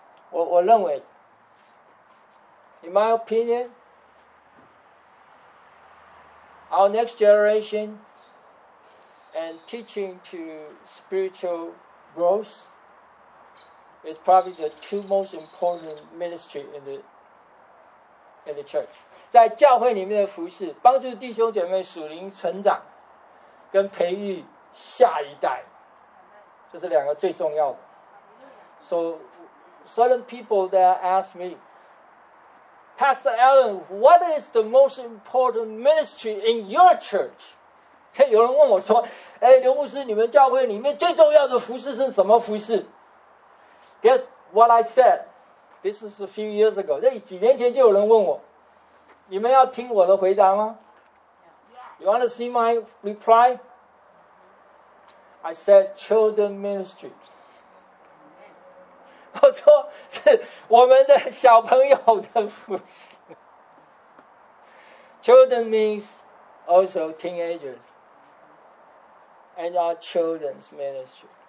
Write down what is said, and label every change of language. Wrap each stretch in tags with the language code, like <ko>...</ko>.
<zh>我认为</zh> <en>in my opinion, our next generation and teaching to spiritual growth is probably the two most important ministry in the church.</en> <zh>在教会里面的服事，帮助弟兄姐妹属灵成长跟培育下一代，这是两个最重要的。</zh> <en>So certain people that ask me, Pastor Allen, what is the most important ministry in your church?</en> <zh>有人问我说，哎，刘牧师，你们教会里面最重要的服事是什么服事？</zh> <en>Guess what I said? This is a few years ago.</en> <zh>这几年前就有人问我，你们要听我的回答吗？</zh> <en>You want to see my reply? I said children ministry.</en> <zh>我说是我们的小朋友的服事。</zh> <en>Children means also teenagers and our children's ministry.</en>